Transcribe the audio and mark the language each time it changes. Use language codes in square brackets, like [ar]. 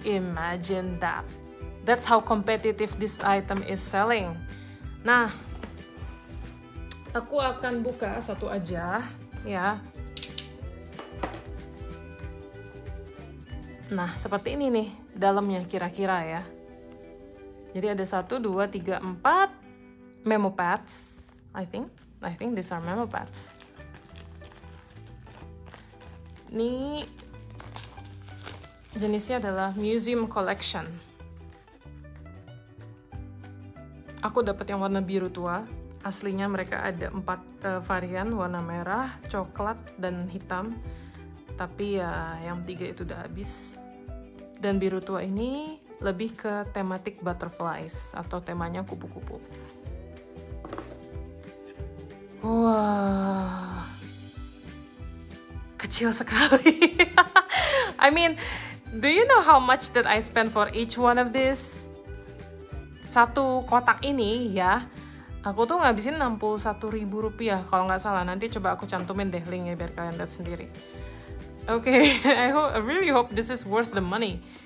[en] Imagine that. That's how competitive this item is selling. [id] Nah, aku akan buka satu aja, ya. Nah, seperti ini nih, dalamnya kira-kira ya. Jadi ada 1, 2, 3, 4 memo pads, [en] I think these are memo pads. [id] Ini jenisnya adalah Museum Collection. Aku dapat yang warna biru tua. Aslinya mereka ada 4 varian, warna merah, coklat, dan hitam. Tapi ya yang 3 itu udah habis. Dan biru tua ini lebih ke tematik butterflies atau temanya kupu-kupu. Wah. Kecil sekali. [en] I mean, do you know how much that I spend for each one of this? [id] Satu kotak ini ya, aku tuh ngabisin Rp61.000 kalau nggak salah. Nanti coba aku cantumin deh linknya biar kalian lihat sendiri. Oke, okay. [en] I really hope this is worth the money.